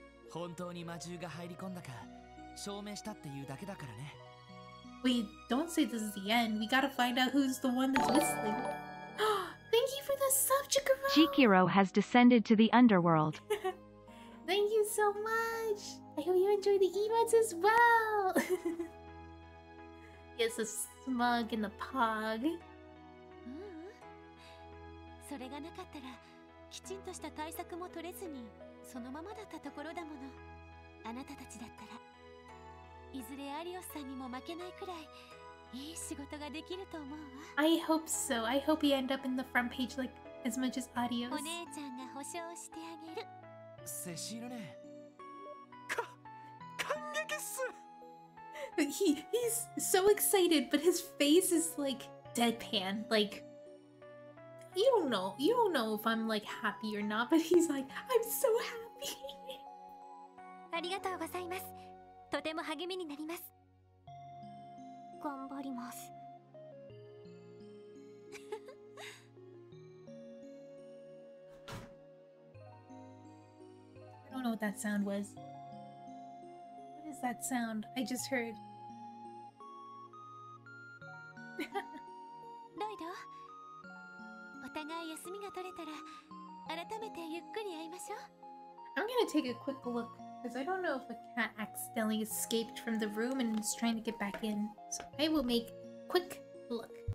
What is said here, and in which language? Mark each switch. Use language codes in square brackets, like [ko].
[ja] 本当に魔獣が入り込んだか証明したっていうだけだからね。 [en] Wait, don't say this is the end. We gotta find out who's the one that's whistling. Thank you for the sub, Chikiro. Chikiro has descended to the underworld. Thank you so much! I hope you enjoy the emotes as well! Yes, the smug and the pog. [ja] それがなかったら、きちんとした対策も取れずに、そのままだったところだもの。あなたたちだったら、いずれアリオスさんにも負けないくらい、いい仕事ができると思うわ。 [en] I hope so. I hope he end up in the front page like as much as Adios. [ja] お姉ちゃんが保証してあげる。セシルね。感激っす。 [en] He's so excited, but his face is like deadpan. Like, you don't know if I'm like happy or not. But he's like, I'm so happy. [ja] ありがとうございます。とても励みになります。頑張ります。 [en] I don't know what that sound was. What is that sound? I just heard. [ja] Lloyd, お互い休みが取れたら、改めてゆっくり会いましょう。 [en] I'm gonna take a quick look because I don't know if a cat accidentally escaped from the room and is trying to get back in. So I will make a quick look.